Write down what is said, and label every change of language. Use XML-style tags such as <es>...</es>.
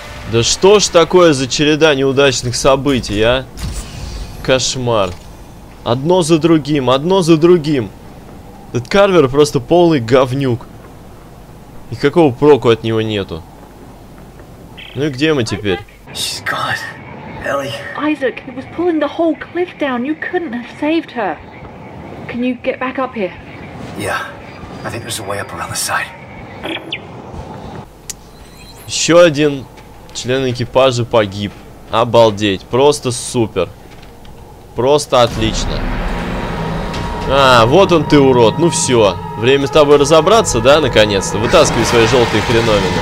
<ru>Да что ж такое за череда неудачных событий, а? Кошмар. Одно за другим. Этот Карвер просто полный говнюк. Никакого проку от него нету. Ну и где мы теперь?</ru> <en>She's gone. Ellie. Isaac, it was pulling the whole cliff down. You couldn't have saved her. Can you get back up here? Yeah. I think there's a way up around the side.</en> <ru>Еще один член экипажа погиб. Обалдеть. Просто супер. Просто отлично. А, вот он ты, урод. Ну все. Время с тобой разобраться, да, наконец-то? Вытаскивай свои желтые хреновины.</ru>